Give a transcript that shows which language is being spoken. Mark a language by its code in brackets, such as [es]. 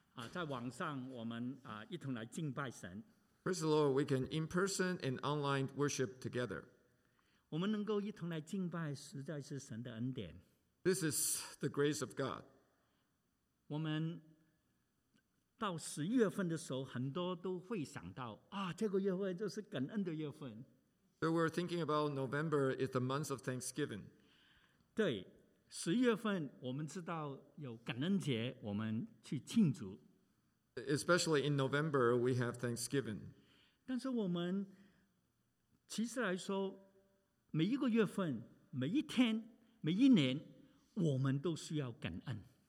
[zh] 在网上我们一同来敬拜神。 [en] Praise the Lord, we can in person and online worship together. [zh] 我们能够一同来敬拜，实在是神的恩典。 [en] This is the grace of God. [zh] 我们到十月份的时候，很多都会想到啊，这个月份就是感恩的月份。 [en] So we're thinking about November is the month of Thanksgiving. [zh] 对，十月份我们知道有感恩节，我们去庆祝。 [en] Especially in November, we have Thanksgiving. [zh] 但是我们其实来说，每一个月份、每一天、每一年，我们都需要感恩。